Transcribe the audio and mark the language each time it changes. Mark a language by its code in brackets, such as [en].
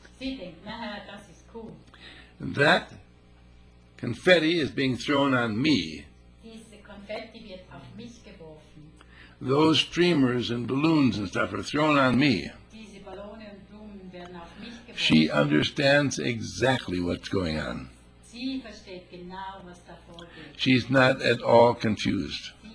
[de] Sie denkt, naja, das ist cool. [en] That confetti is being thrown on me. [de] Diese Konfetti wird auf mich geworfen. [en] Those streamers and balloons and stuff are thrown on me. [de] Diese Ballone und Blumen werden auf mich geworfen. [en] She understands exactly what's going on. [de] Sie versteht genau, was da vorgeht. [en] She's not at all confused.